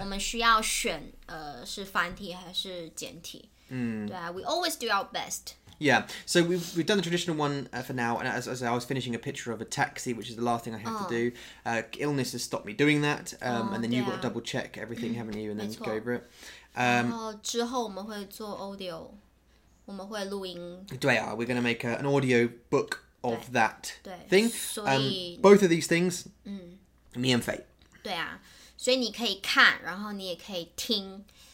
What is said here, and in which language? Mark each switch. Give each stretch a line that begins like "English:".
Chinese: 我们需要选是繁体还是简体。
English: We always do our best. Yeah. So we've done the traditional one for now. And as I said, I was finishing a picture of a taxi, which is the last thing I have to do. Illness has stopped me doing that. And then you've got to double check everything, haven't you? And then go over it.
Chinese: 然后之后我们会做 audio， 我们会录音。
English: 对啊 ，we're gonna make an audio book of that thing.
Chinese: 所以
English: both of these things, me and Faye.
Chinese: 对啊，所以你可以看，然后你也可以听，